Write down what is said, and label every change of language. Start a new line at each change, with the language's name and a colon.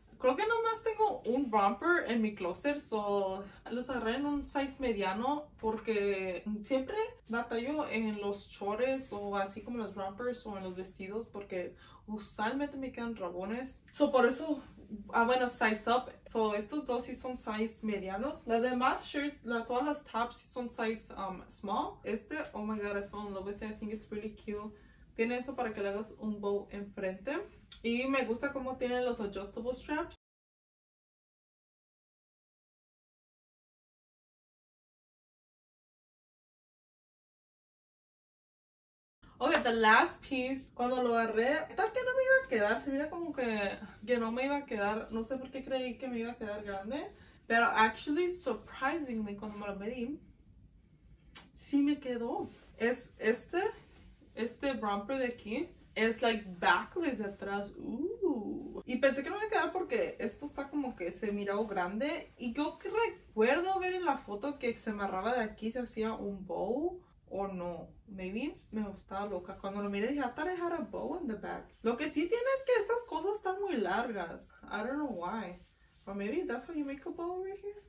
Spanish: Creo que nomás tengo un romper en mi closet, so los agarré en un size mediano porque siempre batallo en los chores o así como los rompers o en los vestidos porque usualmente me quedan rabones. So por eso, bueno, size up. So estos dos sí son size medianos. La demás shirt, todas las tops sí son size small.
English: Este, oh my god, I fell in love with it. I think it's really cute.
Spanish: Tiene eso para que le hagas un bow enfrente. Y me gusta cómo tiene los adjustable straps. Ok,
English: the last piece.
Spanish: Cuando lo agarré, tal que no me iba a quedar. Se mira como que no me iba a quedar. No sé por qué creí que me iba a quedar grande. Pero actually, surprisingly, cuando me lo medí, sí me quedó. Es este. Este romper de aquí es like backless de atrás. Y pensé que no me quedaba porque esto está como que se miraba grande. Y yo que recuerdo ver en la foto que se amarraba de aquí, se hacía un bow o no.
English: Maybe
Spanish: me estaba loca. Cuando lo miré dije,
English: I thought I had a bow in the back.
Spanish: Lo que sí tiene es que estas cosas están muy largas.
English: I don't know why. Or maybe that's how you make a bow over here.